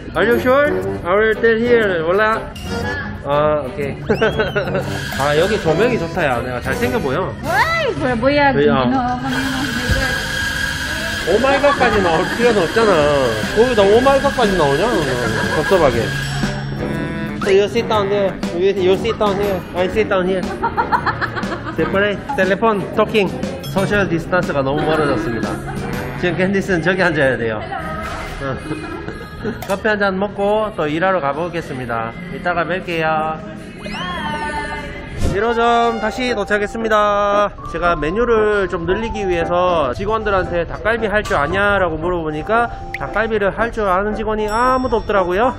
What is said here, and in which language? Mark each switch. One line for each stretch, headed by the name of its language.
English: Are you sure? I will tell here.
Korean: 몰라? 아, 오케이. 아, 여기 조명이 좋다, 야. 내가 잘생겨 보여. 와이, 뭐야, 뭐야. 그래, 오마이갓까지 나올 필요는 없잖아. 거기다 오마이갓까지 나오냐? 섭섭하게.
English: So you sit down there. You sit down here. I sit down here. Separate, telephone, talking. Social distance
Korean: 가 너무 멀어졌습니다. 지금 캔디스는 저기 앉아야 돼요. 커피 한잔 먹고 또 일하러 가보겠습니다. 이따가 뵐게요. 1호점 다시 도착했습니다. 제가 메뉴를 좀 늘리기 위해서 직원들한테 닭갈비 할 줄 아냐 라고 물어보니까 닭갈비를 할 줄 아는 직원이 아무도 없더라고요.